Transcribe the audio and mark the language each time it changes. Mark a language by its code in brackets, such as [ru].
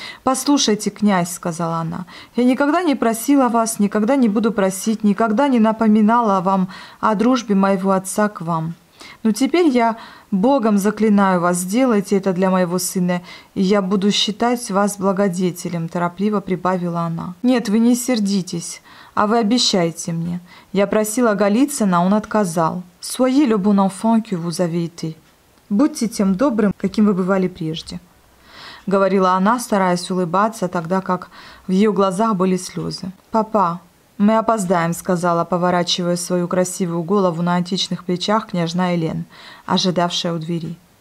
[ru] «Послушайте, князь, — сказала она, — я никогда не просила вас, никогда не буду просить, никогда не напоминала вам о дружбе моего отца к вам. Но теперь я Богом заклинаю вас, сделайте это для моего сына, и я буду считать вас благодетелем», – торопливо прибавила она. «Нет, вы не сердитесь, а вы обещайте мне. Я просила Голицына, он отказал. [fr] Soyez le bon enfant que vous avez été. [ru] Будьте тем добрым, каким вы бывали прежде», – говорила она, стараясь улыбаться, тогда как в ее глазах были слезы. «Папа, мы опоздаем», — сказала, поворачивая свою красивую голову на античных плечах княжна Элен, ожидавшая у двери.